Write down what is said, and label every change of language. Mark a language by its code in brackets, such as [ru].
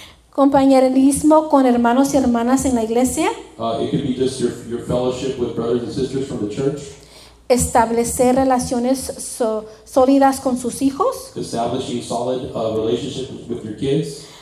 [es] Compañerismo con hermanos y hermanas en la iglesia. [en] It could be just your fellowship with brothers and sisters from the church. [es] Establecer relaciones sólidas con sus hijos. [en] Establishing solid relationships with your kids.